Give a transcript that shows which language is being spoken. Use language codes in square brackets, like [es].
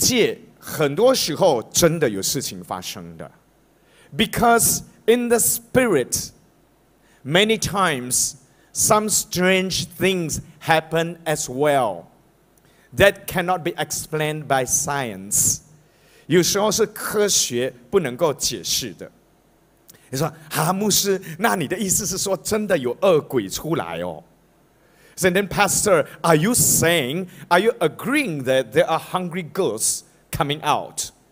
[zh] 因为在灵界很多时候真的有事情发生的。 [en] Because in the spirit, many times some strange things happen as well that cannot be explained by science. [zh] 有时候是科学不能够解释的。你说,牧师,那你的意思是说真的有恶鬼出来哦? [en] So then pastor, are you agreeing that there are hungry ghosts coming out?